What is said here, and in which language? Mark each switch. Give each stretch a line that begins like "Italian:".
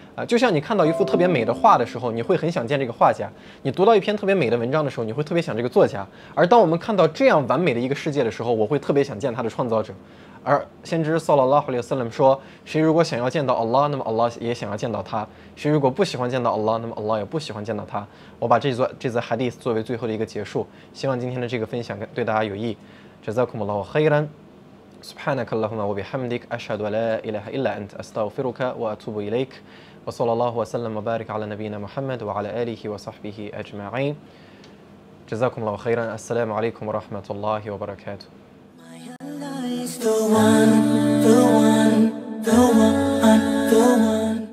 Chinese: 就像你看到一幅特别美的画的时候，你会很想见这个画家，你读到一篇特别美的文章的时候，你会特别想这个作家，而当我们看到这样完美的一个世界的时候，我会特别想见他的创造者。而先知 sallallahu alaihi wasallam 说，谁如果想要见到 Allah， 那么 Allah 也想要见到他，谁如果不喜欢见到 Allah， 那么 Allah 也不喜欢见到他。我把这则 hadith 作为最后的一个结束，希望今天的这个分享对大家有益。
Arabic: جزاكم الله خيرا سبحانك اللهم وبحمدك أشهد لا إله إلا أنت أستغفرك وأتوب إليك وصلى الله وسلم وبارك على نبينا محمد وعلى آله وصحبه أجمعين جزاكم الله خيرا السلام عليكم ورحمة الله وبركاته
English: The one, the one,
Arabic: the one, the one